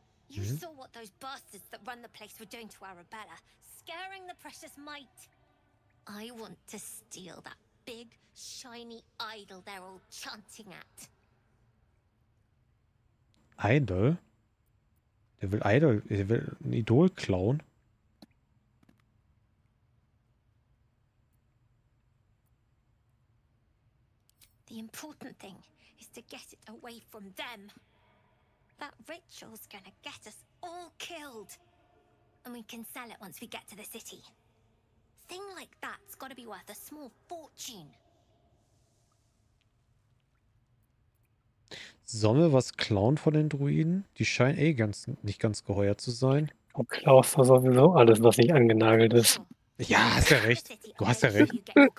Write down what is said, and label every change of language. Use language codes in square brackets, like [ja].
[en] You saw what those bastards that run the place were doing to Arabella, scaring the precious mite. I want to steal that big, shiny idol they're all chanting at. Idol? [de] Der will Idol, der will ein Idol klauen. [en] The important thing is to get it away from them. That ritual's gonna get us all killed. And we can sell it once we get to the city. Thing like that's gotta be worth a small fortune. [de] Sollen wir was klauen von den Druiden? Die scheinen eh ganz, nicht ganz geheuer zu sein. Du klaust da sowieso alles, was nicht angenagelt ist. Ja, hast ja recht. Du hast ja recht.